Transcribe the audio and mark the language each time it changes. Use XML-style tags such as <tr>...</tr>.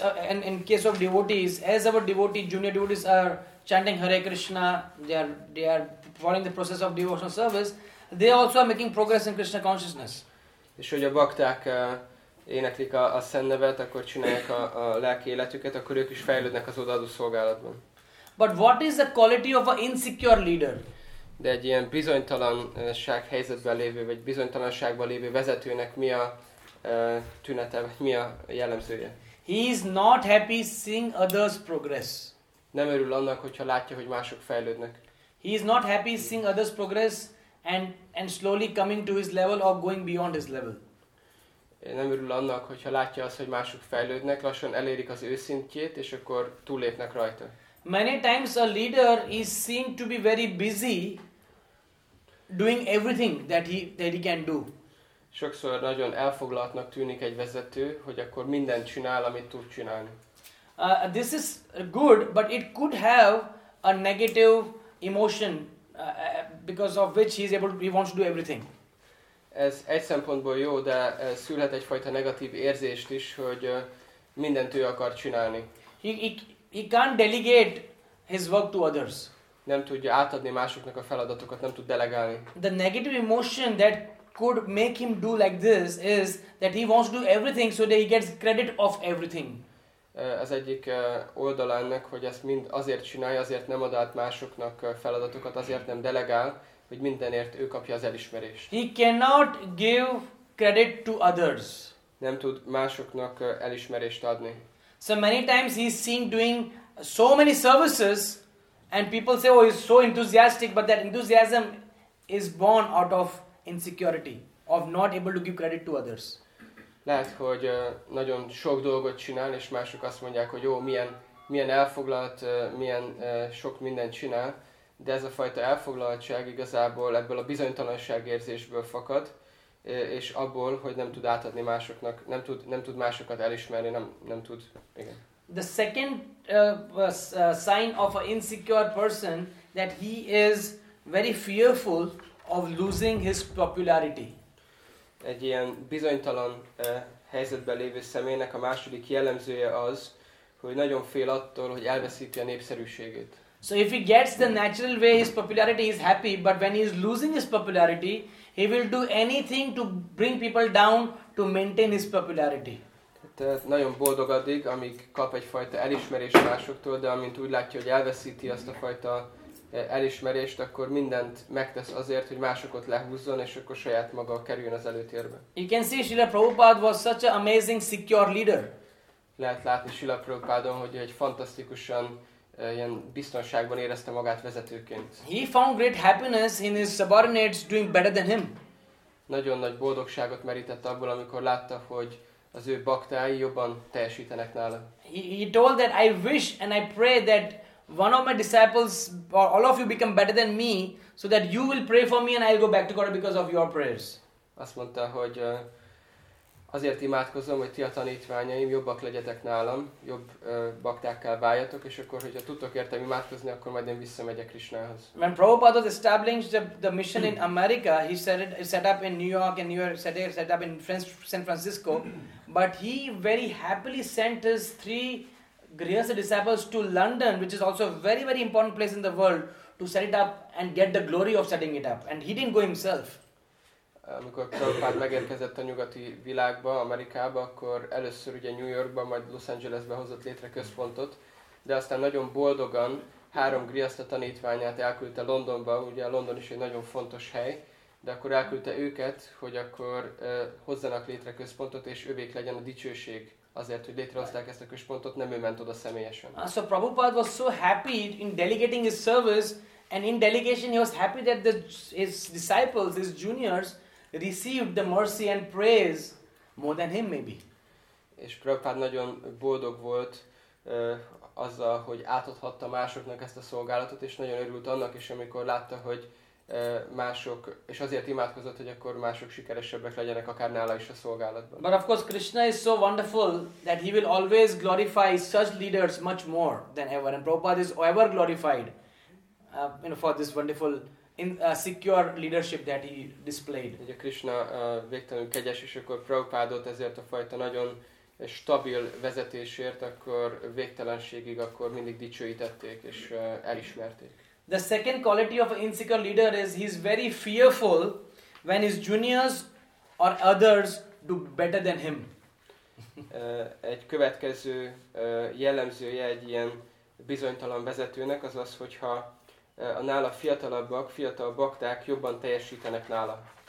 <en>And in case of devotees, as our devotees, junior devotees are chanting Hare Krishna, they are following the process of devotional service, they also are making progress in Krishna consciousness.</en> <hu>És hogy a bakták éneklik a szent nevet, akkor csinálják a lelki életüket, akkor ők is fejlődnek az odaadó szolgálatban.</hu> <en>But what is the quality of an insecure leader?</en> <hu>De egy ilyen bizonytalanság helyzetben lévő, vagy bizonytalanságban lévő vezetőnek mi a tünete, mi a jellemzője?</hu> <en>He is not happy seeing others progress.</en> <hu>Nem örül annak, hogyha látja, hogy mások fejlődnek.</hu> <en>He is not happy seeing others progress and slowly coming to his level or going beyond his level.</en> <hu>Nem örül annak, hogyha látja azt, hogy mások fejlődnek, lassan elérik az ő szintjét, és akkor túllépnek rajta.</hu> <en>Many times a leader is seen to be very busy doing everything that he can do.</en> <hu>Sokszor nagyon elfoglaltnak tűnik egy vezető, hogy akkor mindent csinál, amit tud csinálni.</hu> <en>This is good, but it could have a negative emotion because of which he wants to do everything.</en> <hu>Ez egy szempontból jó, de szülhet egyfajta negatív érzést is, hogy mindent ő akar csinálni.</hu> <en>He can't delegate his work to others.</en> <hu>Nem tudja átadni másoknak a feladatokat, nem tud delegálni.</hu> <en>The negative emotion that could make him do like this is that he wants to do everything so that he gets credit of everything.</en> <hu>Ez egyik oldala ennek, hogy ezt mind azért csinálja, azért nem ad át másoknak feladatokat, azért nem delegál, hogy mindenért ő kapja az elismerést.</hu> <en>He cannot give credit to others.</en> <hu>Nem tud másoknak elismerést adni.</hu> <en>So many times he's seen doing so many services and people say, oh, he's so enthusiastic, but that enthusiasm is born out of insecurity, of not able to give credit to others.</en> <hu>Lehet, hogy nagyon sok dolgot csinál, és mások azt mondják, hogy jó, milyen elfoglalt, milyen sok mindent csinál, de ez a fajta elfoglaltság igazából ebből a bizonytalanság érzésből fakad, és abból, hogy nem tud átadni másoknak, nem tud másokat elismerni, nem tud, igen.</hu> <en>The second sign of an insecure person that he is very fearful of losing his popularity.</en> <hu>Egy ilyen bizonytalan helyzetben lévő személynek a második jellemzője az, hogy nagyon fél attól, hogy elveszíti a népszerűségét.</hu> <en>So if he gets the natural way his popularity, is happy, but when he is losing his popularity, he will do anything to bring people down to maintain his popularity.</en> <hu>Tehát nagyon boldog addig, amíg kap egyfajta elismerést másoktól, de amint úgy látja, hogy elveszíti azt a fajta elismerést, akkor mindent megtesz azért, hogy másokat lehúzzon, és akkor saját maga kerüljön az előtérbe.</hu> <en>You can see Srila Prabhupada was such an amazing secure leader.</en> <hu>Lehet látni Srila Prabhupádon, hogy egy fantasztikusan ilyen biztonságban érezte magát vezetőként.</hu> <en>He found great happiness in his subordinates doing better than him.</en> <hu>Nagyon nagy boldogságot merített abból, amikor látta, hogy az ő baktái jobban teljesítenek nála.</hu> <en>He told that I wish and I pray that one of my disciples or all of you become better than me so that you will pray for me and I'll go back to God because of your prayers.</en> <hu>Azt mondta, hogy azért imádkozom, hogy ti a tanítványaim jobbak legyetek nálam, jobb baktákká váljatok, és akkor, hogyha tudtok értem imádkozni, akkor majd én visszamegyek Krishnához.</hu> <en>When Prabhupada established the mission in America, he set up in New York and set up in San Francisco, but he very happily sent his three Grihastha disciples to London, which is also a very, very important place in the world, to set it up and get the glory of setting it up. And he didn't go himself.</en> <hu>Amikor Prabhupád megérkezett a nyugati világba, Amerikába, akkor először ugye New Yorkba, majd Los Angelesbe hozott létre központot, de aztán nagyon boldogan három griaszta tanítványát elküldte Londonba, ugye London is egy nagyon fontos hely, de akkor elküldte őket, hogy akkor hozzanak létre központot, és övék legyen a dicsőség azért, hogy létrehozták ezt a központot, nem ő ment oda személyesen.</hu> <en>So Prabhupada was so happy in delegating his service, and in delegation he was happy that the, his disciples, his juniors, received the mercy and praise more than him maybe.</en> <hu>És Prabhupada nagyon boldog volt azzal, hogy átadhatta másoknak ezt a szolgálatot, és nagyon örült annak is, amikor látta, hogy mások, és azért imádkozott, hogy akkor mások sikeresebbek legyenek akár nála is a szolgálatban.</hu> <en>But of course Krishna is so wonderful that he will always glorify such leaders much more than ever, and Prabhupada is ever glorified for this wonderful in secure leadership that he displayed.</en> <hu>Ugye Krishna végtelenül kegyes, és akkor Prabhupádot ezért a fajta nagyon stabil vezetésért akkor végtelenségig akkor mindig dicsőítették és elismerték.</hu> <en>The second quality of an insecure leader is he is very fearful when his juniors or others do better than him.</en> <hu>Egy következő jellemzője egy ilyen bizonytalan vezetőnek az az, hogyha a nála fiatalabbak, fiatal bakták jobban teljesítenek nála.</hu>